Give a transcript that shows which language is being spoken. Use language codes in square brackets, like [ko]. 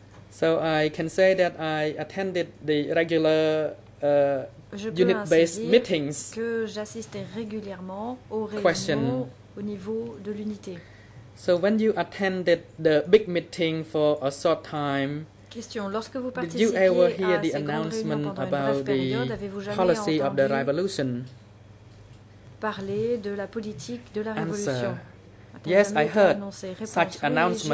[en] So I can say that I attended the regular unit-based meetings. [fr] Que j'assistais régulièrement aux réunions au niveau de l'unité. [en] So when you attended the big meeting for a short time, [fr] question. Lorsque vous participiez [en] did you ever hear the announcement about the policy of the revolution? [fr] Parler de la politique de la révolution. [en] Answer. Yes, I heard such announcement.